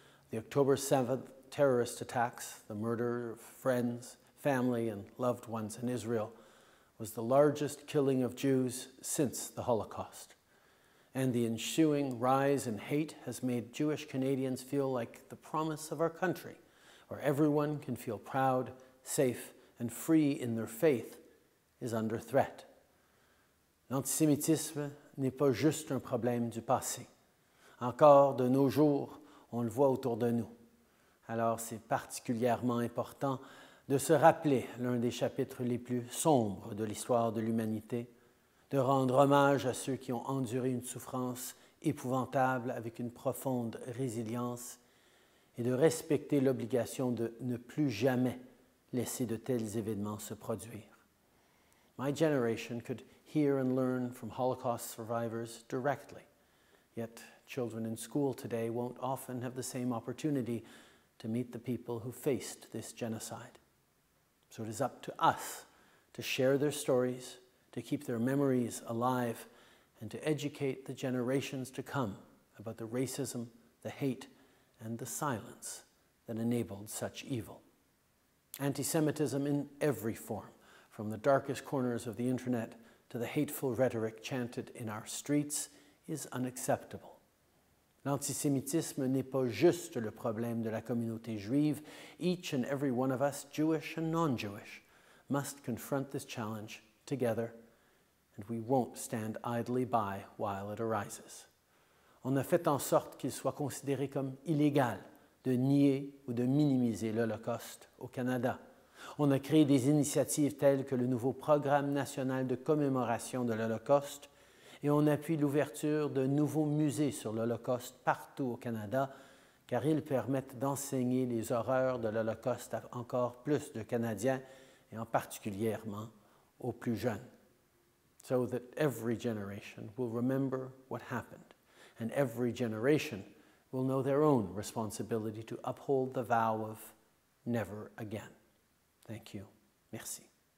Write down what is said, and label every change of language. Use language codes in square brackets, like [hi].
[en] The October 7th terrorist attacks, the murder of friends, family, and loved ones in Israel, was the largest killing of Jews since the Holocaust. And the ensuing rise in hate has made Jewish Canadians feel like the promise of our country, where everyone can feel proud, safe, and free in their faith, is under threat. [fr] L'antisémitisme n'est pas juste un problème du passé. Encore de nos jours, on le voit autour de nous. Alors, c'est particulièrement important de se rappeler l'un des chapitres les plus sombres de l'histoire de l'humanité, de rendre hommage à ceux qui ont enduré une souffrance épouvantable avec une profonde résilience et de respecter l'obligation de ne plus jamais laisser de tels événements se produire. [en] My generation could hear and learn from Holocaust survivors directly, yet children in school today won't often have the same opportunity to meet the people who faced this genocide. So it is up to us to share their stories, to keep their memories alive, and to educate the generations to come about the racism, the hate, and the silence that enabled such evil. Antisemitism in every form, from the darkest corners of the internet to the hateful rhetoric chanted in our streets, is unacceptable. [fr] L'antisémitisme n'est pas juste le problème de la communauté juive. [en] Each and every one of us, Jewish and non-Jewish, must confront this challenge together, and we won't stand idly by while it arises. [fr] On a fait en sorte qu'il soit considéré comme illégal de nier ou de minimiser l'Holocauste au Canada. On a créé des initiatives telles que le nouveau Programme national de commémoration de l'Holocauste et on appuie l'ouverture de nouveaux musées sur l'Holocauste partout au Canada car ils permettent d'enseigner les horreurs de l'Holocauste à encore plus de Canadiens et en particulièrement aux plus jeunes. [en] So that every generation will remember what happened, and every generation will know their own responsibility to uphold the vow of never again. Thank you. [fr] Merci.